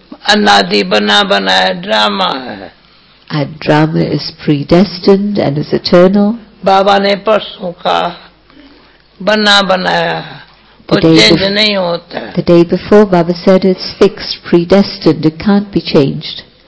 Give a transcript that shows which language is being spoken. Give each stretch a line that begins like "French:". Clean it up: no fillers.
Hindi: अनादि बना बना है ड्रामा है.
English: A drama is predestined and is eternal.
Hindi: बाबा ने परसों का बना बनाया, कुछ चेंज नहीं होता.
English: The day before Baba said it's fixed, predestined, it can't be changed.